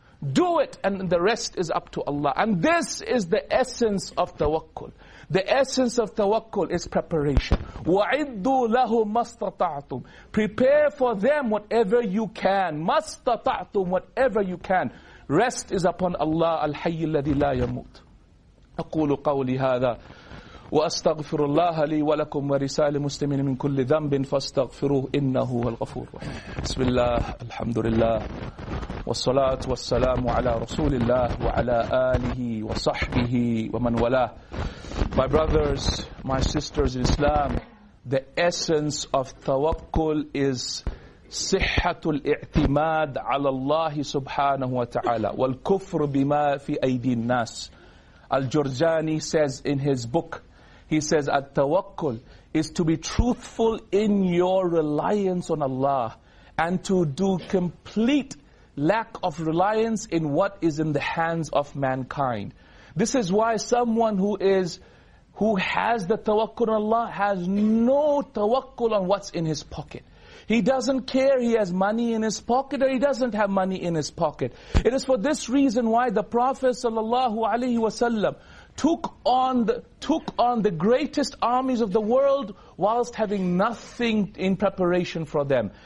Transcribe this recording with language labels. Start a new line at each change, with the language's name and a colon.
English: Do it, and the rest is up to Allah. And this is the essence of tawakkul. The essence of tawakkul is preparation.
Arabic: وَعِدُّوا لَهُمْ مَسْتَطَعْتُمْ
English: Prepare for them whatever you can. مَسْتَطَعْتُمْ Whatever you can. Rest is upon Allah.
Arabic: الْحَيِّ الَّذِي لَا يَمُوتُ أَقُولُ قَوْلِ هَذَا وَأَسْتَغْفِرُ اللَّهَ لِي وَلَكُمْ وَرِسَالِ مُسْلِمِينَ مِنْ كُلِّ ذَنْبٍ فَاسْتَغْفِرُوهُ إِنَّهُ هُوَ الْغَفُورُ الرَّحِيمُ بسم الله الحمد لله والصلاة والسلام على رسول الله وعلى آله وصحبه ومن والاه
English: My brothers, my sisters in Islam,
Arabic: the essence of tawakkul is صحة الاعتماد على الله سبحانه وتعالى والكفر بما في أيدي الناس
English: Al-Jurjani says in his book, He says, At-tawakkul is to be truthful in your reliance on Allah and to do complete lack of reliance in what is in the hands of mankind. This is why someone who has the tawakkul on Allah has no tawakkul on what's in his pocket. He doesn't care he has money in his pocket or he doesn't have money in his pocket. It is for this reason why the Prophet sallallahu alaihi wasallam took on the greatest armies of the world whilst having nothing in preparation for them.